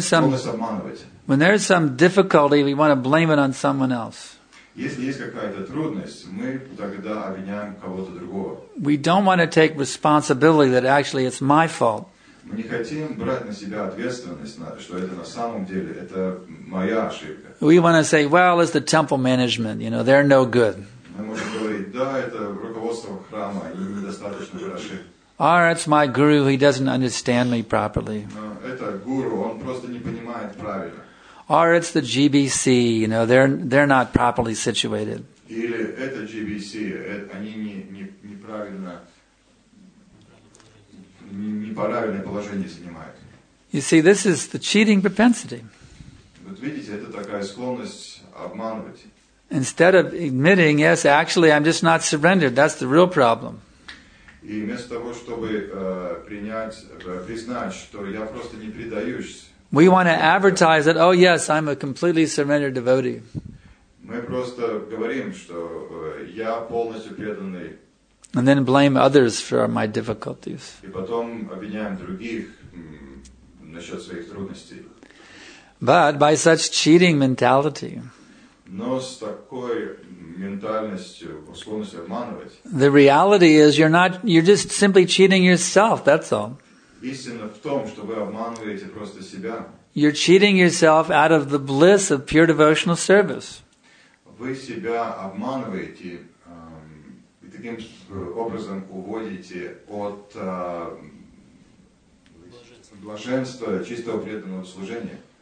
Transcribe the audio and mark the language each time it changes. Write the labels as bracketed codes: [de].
[en] When there is some difficulty, we want to blame it on someone else. We don't want to take responsibility that actually it's my fault. [ru] Мы не хотим брать на себя ответственность, что это на самом деле это моя ошибка. [en] We want to say, well, it's the temple management, you know, they're no good. [ru] Мы можем говорить, да, это руководство храма, они недостаточно хороши. [en] Or it's my guru, he doesn't understand me properly. [ru] Это гуру, он просто не понимает правильно. [en] Or it's the GBC, you know, they're not properly situated. [ru] Или это GBC, они неправильно. Неправильное положение занимает. [en] You see, this is the cheating propensity. [ru] Вот видите, это такая склонность обманывать. [en] Instead of admitting, yes, actually, I'm just not surrendered. That's the real problem. [ru] И вместо того, чтобы признать, что я просто не предаюсь. [en] We want to advertise that, oh yes, I'm a completely surrendered devotee. [ru] Мы просто говорим, что я полностью преданный. [en] And then blame others for my difficulties. [ru] И потом обвиняем других насчет своих трудностей. [en] But by such cheating mentality, [ru] но с такой ментальностью, склонностью обманывать, [en] the reality is you're just simply cheating yourself, that's all. [ru] Истина в том, что вы обманываете просто себя. [en] You're cheating yourself out of the bliss of pure devotional service. [ru] Вы себя обманываете. Таким образом уводите от блаженства чистого преданного служения.